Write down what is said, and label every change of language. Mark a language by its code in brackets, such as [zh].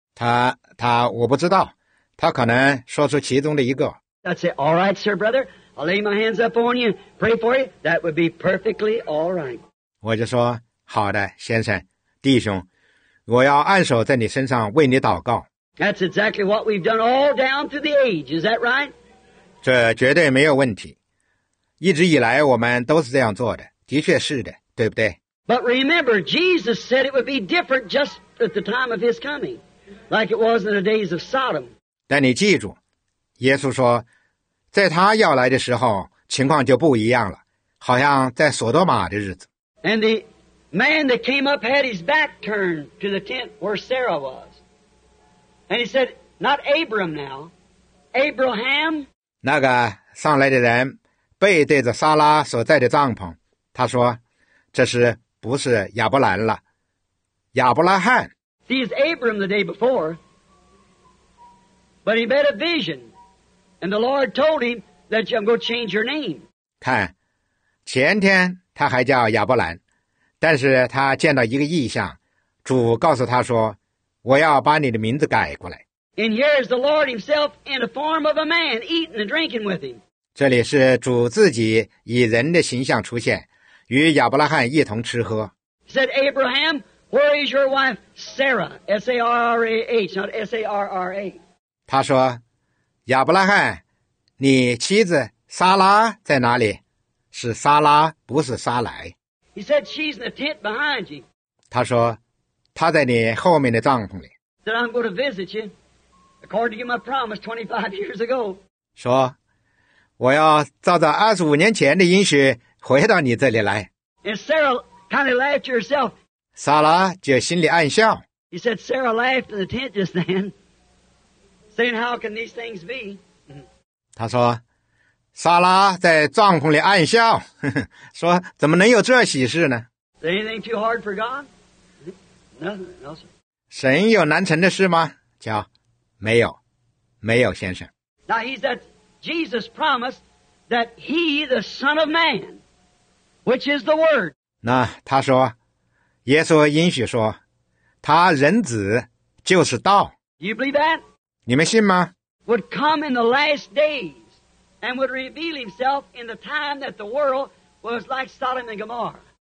[zh] 他我不知道，他可能说出其中的一个。 [en] I'd say, all right, sir, brother. I'll lay my hands up on you, pray for you. That would be perfectly all right. [zh] 我就说，好的，先生，弟兄，我要按手在你身上为你祷告。 [en] That's exactly what we've done all down through the age. Is that right? [zh] 这绝对没有问题。一直以来我们都是这样做的，的确是的，对不对？ [en] But remember, Jesus said it would be different just at the time of his coming, like it was in the days of Sodom. [zh] 但你记住，耶稣说，在他要来的时候，情况就不一样了，好像在索多玛的日子。 [en] And the man that came up had his back turned to the tent where Sarah was. And he said, not Abram now, Abraham. [zh] 那个上来的人背对着撒拉所在的帐篷，他说，这是不是亚伯兰了，亚伯拉罕。 [en] He is Abram the day before, but he met a vision, and the Lord told him that you're going to change your name. [zh] 看，前天他还叫亚伯兰，但是他见到一个异象，主告诉他说，我要把你的名字改过来。 [en] And here is the Lord himself in the form of a man, eating and drinking with him. [zh] 这里是主自己以人的形象出现，与亚伯拉罕一同吃喝。 [en] He said, Abraham, where is your wife Sarah? S-A-R-R-A-H, not S-A-R-R-A. [zh] 他说，亚伯拉罕，你妻子撒拉在哪里？是撒拉，不是撒莱。 [en] He said, she's in the tent behind you. [zh] 他说，她在你后面的帐篷里。 [en] Said, I'm going to visit you. According to my promise 25 years ago. [zh] 说我要照着25年前的应许回到你这里来。 [en] And Sarah kind of laughed to herself. [zh] 撒拉就心里暗笑。 [en] He said Sarah laughed in the tent just then, saying how can these things be? [zh] 他说撒拉在帐篷里暗笑，呵呵，说怎么能有这喜事呢？ [en] Is anything too hard for God? Nothing else. [zh] 神有难成的事吗？叫没有，没有，先生。 [en] Now he said, Jesus promised that he, the Son of Man, which is the Word. [zh] 那他说，耶稣应许说，他人子就是道。 [en] Do you believe that? [zh] 你们信吗？ [en] Would come in the last days and would reveal himself in the time that the world was like Sodom and Gomorrah.